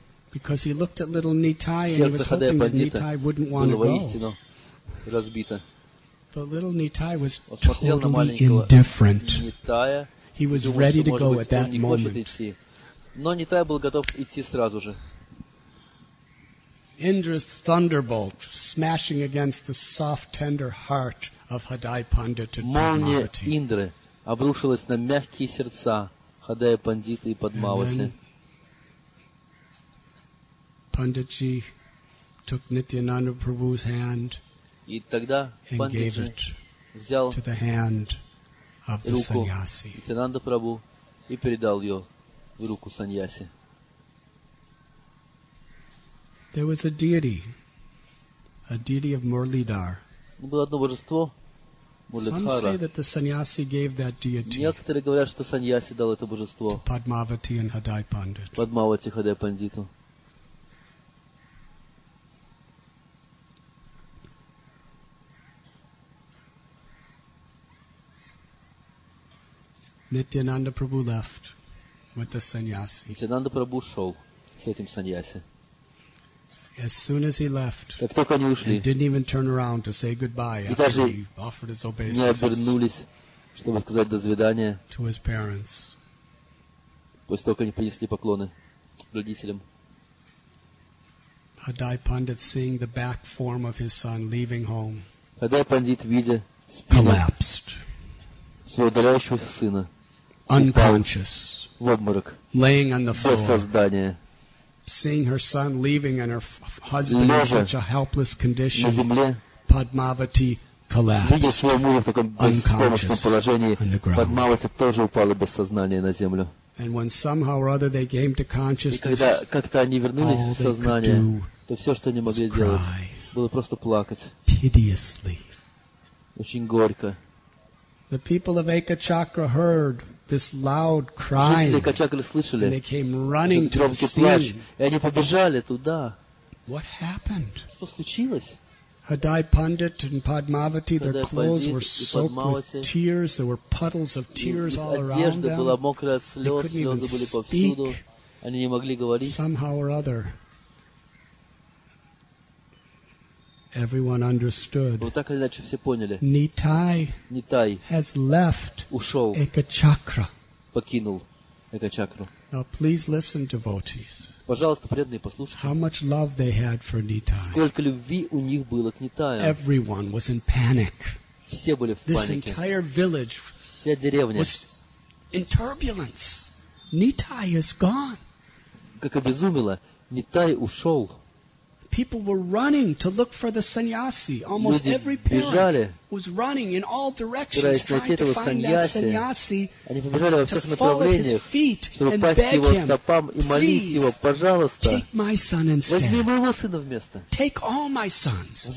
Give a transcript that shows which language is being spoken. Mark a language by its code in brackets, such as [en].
[en] Because he looked at little Nitai and he was hoping that Nitai wouldn't want to go. [ru] Воистину разбито. [en] But little Nitai was totally indifferent. [ru] Нитая, [en] he was ready to go at that moment. [ru] Но Нитай был готов идти сразу же. [en] Indra's thunderbolt smashing against the soft, tender heart of Hadai Pandit and Padmavati. [ru] Молния Индры обрушилась на мягкие сердца Хадая Пандита и Падмавати. [en] And then Панditji took Nityananda Prabhu's hand and gave it to the hand of the sannyasi. [ru] Nityananda Prabhu и передал ее в руку саньяси. [en] There was a deity of Murlidhar. Some say that the sannyasi gave that deity. [ru] Некоторые говорят, что саньяси дал это божество. [en] Padmavati and Hadai Pandit. [ru] Padmavati Hadai Panditu. [en] Nityananda Prabhu left with the sannyasi. [ru] Nityananda Prabhu шел с этим саньяси. [en] As soon as he left, [ru] как только они ушли, [en] and didn't even turn around to say goodbye after he offered his obeisances, [ru] не обернулись, чтобы сказать до свидания, [en] to his parents. [ru] После того, как они принесли поклоны родителям. [en] Hadai Pandit, seeing the back form of his son leaving home, [ru] Hadai Pandit, видя спину, [en] collapsed. [ru] Своего удаляющегося сына, [en] unconscious, [ru] в обморок, [en] laying on the floor, [ru] без сознания, [en] seeing her son leaving and her husband in such a helpless condition, Padmavati collapsed, unconscious, on the ground. [ru] Padmavati тоже упала без сознания на землю. [en] And when somehow or other they came to consciousness, all they could do was cry. [ru] Было просто плакать. [en] Pitiously. [ru] Очень горько. [en] The people of Ekachakra heard this loud crying. [ru] Жители Экачакры слышали. [en] And they came running to the [ru] plash, и они побежали туда. [en] What happened? [ru] Что случилось? [en] Hadai Pandit and Padmavati, their clothes were soaked with tears. There were puddles of tears all around them. [ru] Была мокрая от слез, слезы были повсюду. Они не могли говорить. [en] Somehow or other, everyone understood. [ru] Вот так или иначе все поняли. [en] Нитай has left Ekachakra. [ru] Покинул Ekachakra. [en] Now please listen, devotees. [ru] Пожалуйста, преданные, послушайте. [en] How much love they had for Nitai. [ru] Сколько любви у них было к Нитаю. [en] Everyone was in panic. [ru] Все были в панике. [en] This entire village was in turbulence. Nitai is gone. [ru] Как обезумело, Нитай ушел. [en] People were running to look for the sannyasi. Almost every parent was running in all directions trying to find that sannyasi to fall at his feet and beg him, please, take my son instead. Take all my sons.